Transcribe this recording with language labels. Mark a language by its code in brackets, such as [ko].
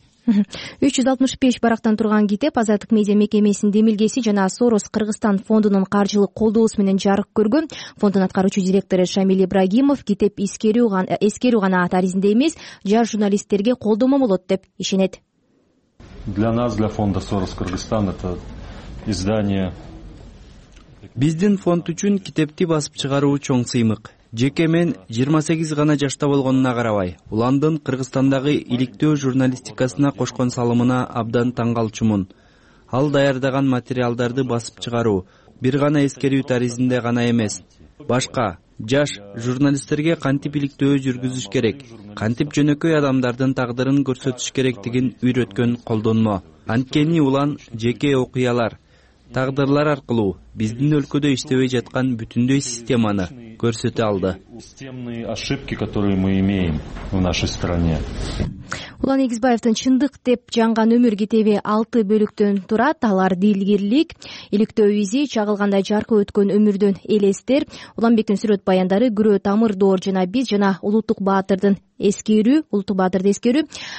[ky] 365 барактан турган китеп Азаттык медиа мекемесинин демилгеси жана Сорос Кыргызстан фондунун каржылык колдоосу менен жарык көргөн. Фондун аткаруучу директору Шамиль Ибрагимов китеп эскерүү гана таризинде эмес, жаш журналисттерге колдоо болот деп ишенет. [ru] Для нас, для фонда Сорос Кыргызстан это издание. [ky] Биздин фонд үчүн китепти басып чыгаруу чоң сыймык. Жеке мен 28 гана жашта болгонуна карабай, уландын Кыргызстандагы иликтөө журналистикасына кошкон салымына абдан таң калчумун. Ал даярдаган материалдарды басып чыгаруу бир гана эскерүү таризинде гана эмес. Башка жаш журналисттерге кантип иликтөө жүргүзүш керек, кантип жөнөкөй адамдардын тагдырын көрсөтүш керектигин үйрөткөн колдонмо. Анткени улан жеке окуялар, тагдырлар аркылуу биздин өлкөдө иштебей жаткан бүтүндөй системаны көрсөтө алды. [ru] Системные ошибки, которые мы имеем в нашей стране. [ky] Улан Эгизбаевдин Чындык деп жанган өмүр китеби 6 бөлүктөн турат. Алар дилгирлик, иликтөө изи, чагылгандай жаркы өткөн өмүрдөн элестер, Уланбектин сүрөт баяндары, күрөө тамыр доор жана биз жана улуттук баатырдын эскерүү, улуттук баатырды эскерүү.